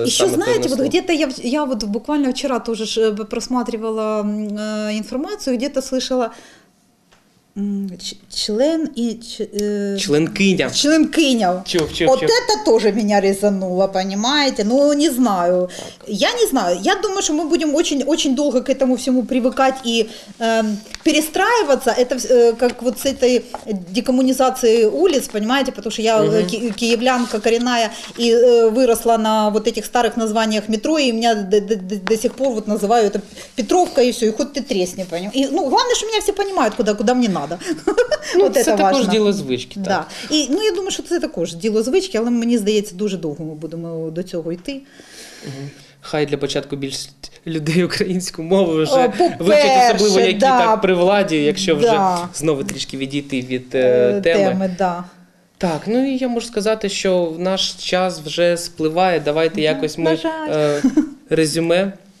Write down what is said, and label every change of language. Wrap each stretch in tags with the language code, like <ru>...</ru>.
<uk>то. І що, знаєте, от де-то я от буквально вчора теж просматривала інформацію,</uk> <ru>де-то слышала</ru> <uk>член і членкиня. Членкиня. От це теж мене резануло, розумієте? Ну, не знаю. Так. Я не знаю. Я думаю, що ми будемо дуже довго</uk> <ru>к этому</ru> <uk>всьому привикати і перестраюватися.</uk> <ru>Это як вот с этой декоммунизацией улиц, понимаете? Потому что я киевлянка коренная и выросла на вот этих старых названиях метро, и меня до сих пор вот называют это Петровка и все, и хоть ты тресни, понимаешь? И ну, главное, что меня все понимают, куда мне надо.</ru> <uk>Ну, вот це також важно. Діло звички. Так. Да. І, ну, я думаю, що це також діло звички, але мені здається, дуже довго ми будемо до цього йти. Хай для початку більше людей українську мову вже вивчать, особливо які да. так при владі, якщо вже да. знову трішки відійти від теми. Да. Так, ну і я можу сказати, що наш час вже спливає. Давайте да, якось ми резюме.</uk>